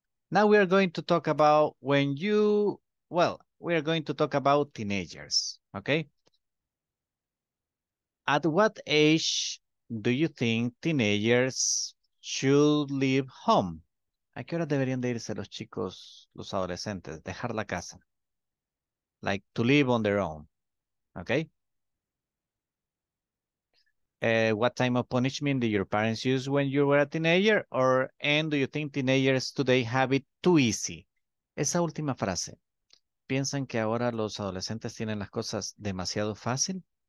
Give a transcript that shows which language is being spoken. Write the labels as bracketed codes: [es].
[en] Now we are going to talk about teenagers, okay? At what age do you think teenagers should leave home? [es] ¿A qué hora deberían de irse los chicos, los adolescentes? [en] Dejar la casa. Like, to live on their own. Okay? What time of punishment did your parents use when you were a teenager? And do you think teenagers today have it too easy? [es] Esa última frase. ¿Piensan que ahora los adolescentes tienen las cosas demasiado fácil?